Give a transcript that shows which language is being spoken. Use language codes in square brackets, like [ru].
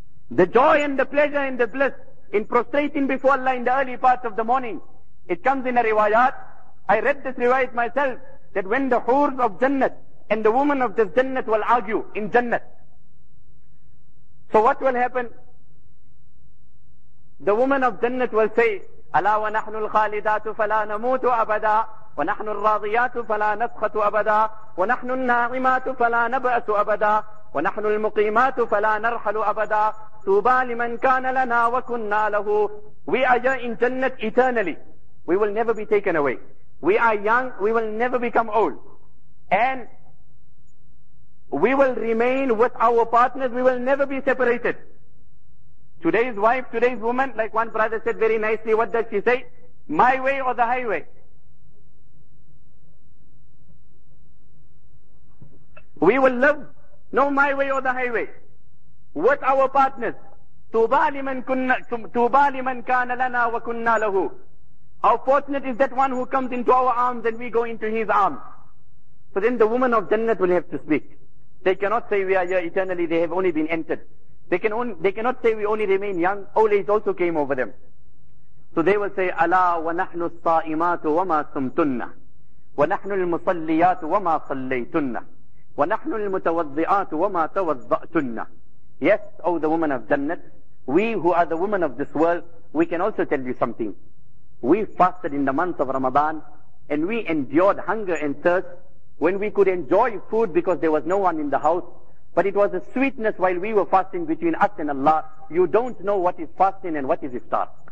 [en] The joy and the pleasure and the bliss in prostrating before Allah in the early part of the morning, it comes in a riwayat. I read this riwayat myself, that when the hoors of Jannat and the woman of this Jannat will argue in Jannat, so what will happen? The woman of Jannat will say, [ar] Ala wa nahnu al-khalidatu fala namutu abada, ونحن الراضيات فلا نسخط أبدا ونحن الناعمات فلا نبأس أبدا ونحن المقيمات فلا نرحل أبدا طوبى لمن كان لنا وكنا له. [en] We are young in Jannat eternally. We will never be taken away. We are young, we will never become old. And we will remain with our partners, we will never be separated. Today's wife, today's woman, like one brother said very nicely, what does she say? My way or the highway? We will live, no my way or the highway, with our partners. [ar] تُوبَى لِمَنْ كَانَ لَنَا وَكُنَّا لَهُ. [en] How fortunate is that one who comes into our arms and we go into his arms. So then the woman of Jannat will have to speak. They cannot say we are here eternally, they have only been entered. They cannot say we only remain young, old age also came over them. So they will say, [ar] أَلَا وَنَحْنُ الصَّائِمَاتُ وَمَا صَمْتُنَّ وَنَحْنُ الْمُصَلِّيَاتُ وَمَا صَلَّيْتُنَّ وَنَحْنُ الْمُتَوَضِّئَاتُ وَمَا تَوَضَّأْتُنَّ. [en] Yes, O the woman of Jannat, we who are the women of this world, we can also tell you something. We fasted in the month of Ramadan, and we endured hunger and thirst when we could enjoy food because there was no one in the house. But it was a sweetness while we were fasting between us and Allah. You don't know what is fasting and what is iftar.